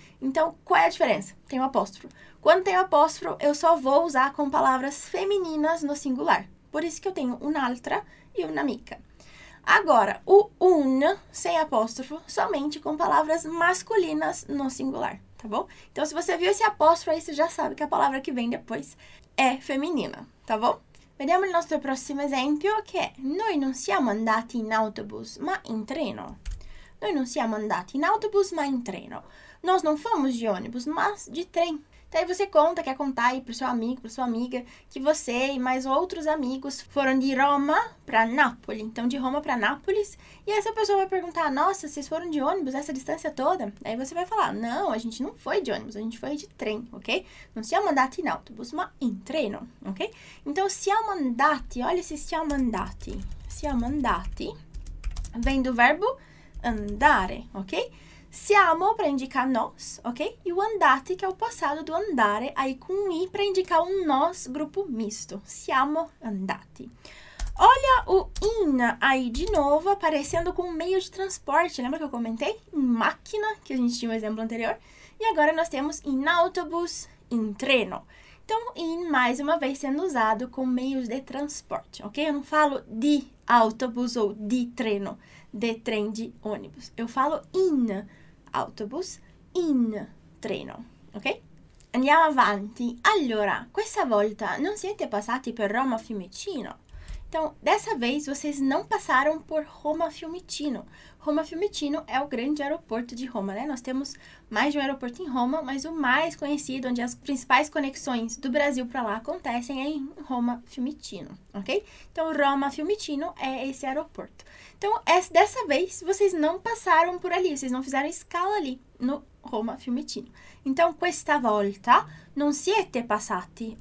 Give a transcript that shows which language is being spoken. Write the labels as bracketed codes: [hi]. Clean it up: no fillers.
[pt] Então, qual é a diferença? Tem o um apóstrofo. Quando tem o um apóstrofo, eu só vou usar com palavras femininas no singular. Por isso que eu tenho un'altra e un'amica. Agora, o un sem apóstrofo, somente com palavras masculinas no singular, tá bom? Então, se você viu esse apóstrofo aí, você já sabe que a palavra que vem depois é feminina, tá bom? [it] Vediamo il nostro prossimo esempio che è noi non siamo andati in autobus, ma in treno. Noi non siamo andati in autobus, ma in treno. [pt] Nós não fomos de ônibus, mas de trem. Daí você conta, quer contar aí pro seu amigo, pra sua amiga, que você e mais outros amigos foram de Roma pra Nápoles. Então, de Roma pra Nápoles. E essa pessoa vai perguntar: nossa, vocês foram de ônibus essa distância toda? Aí você vai falar: não, a gente não foi de ônibus, a gente foi de trem, ok? [it] Não siamo andati in autobus, ma in treno, ok? [pt] Então, [it] siamo andati, [pt] olha esse siamo andati. Siamo andati vem do verbo andare, ok? Siamo para indicar nós, ok? E o andati, que é o passado do andare, aí com i para indicar um nós, grupo misto. [it] Siamo andati. [pt] Olha o in aí de novo, aparecendo com meio de transporte. Lembra que eu comentei? Em máquina, que a gente tinha um exemplo anterior. E agora nós temos [it] in autobus, in treno. [pt] Então, in mais uma vez sendo usado com meios de transporte, ok? Eu não falo de autobus ou de treno, de trem, de ônibus. Eu falo [it] in autobus, in treno, [pt] ok? [it] Andiamo avanti. Allora, questa volta non siete passati per Roma Fiumicino. [pt] Então, dessa vez vocês não passaram por Roma Fiumicino. Roma Fiumicino é o grande aeroporto de Roma, né? Nós temos mais de um aeroporto em Roma, mas o mais conhecido, onde as principais conexões do Brasil para lá acontecem, é em Roma Fiumicino, ok? Então, Roma Fiumicino é esse aeroporto. Então, dessa vez vocês não passaram por ali, vocês não fizeram escala ali no Roma Fiumicino. Então, [it] questa volta non siete passati.